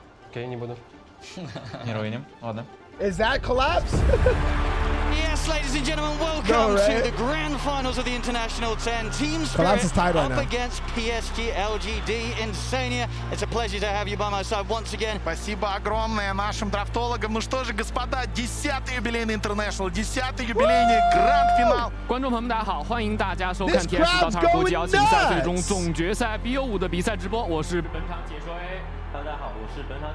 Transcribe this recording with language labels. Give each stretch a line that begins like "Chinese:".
Russian: Окей, не буду. Не руиним, ладно.
English: Is that collapse? Yes, ladies and gentlemen, welcome to the grand finals of the International 10. Team Spirit is tied up against PSG LGD Insania. It's a pleasure to have you by my side once again.
Russian: Спасибо огромное нашим драфтологам. Ну что же, господа, 10th юбилейный International, 10th юбилейный гранд финал.
Chinese: 观众朋友们大家好，欢迎大家收看TI10高台国际邀请赛最终总决赛 BO5 的比赛直播。我是本场解说A。